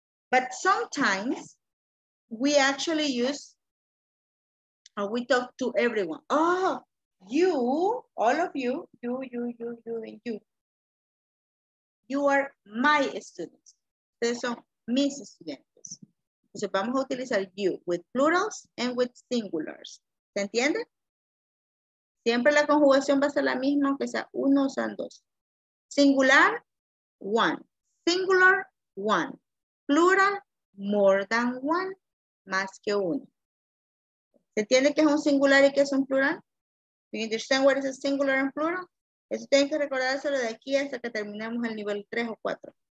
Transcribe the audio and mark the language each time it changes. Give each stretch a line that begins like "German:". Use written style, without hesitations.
English: But sometimes we actually use, or we talk to everyone. Oh, you, all of you, you, and you. You are my students.
Spanish: Ustedes son mis estudiantes.
English: So,
Spanish: vamos a utilizar
English: you with plurals and with singulars.
Spanish: ¿Se entiende? Siempre la conjugación va a ser la misma, aunque sea uno o sean dos.
English: Singular, one. Singular, one. Plural, more than one,
Spanish: más que uno. ¿Se entiende que es un singular y que es un plural?
English: Do you understand what is a singular and plural?
Spanish: Eso tienen que recordárselo de aquí hasta que terminemos el nivel 3 o 4.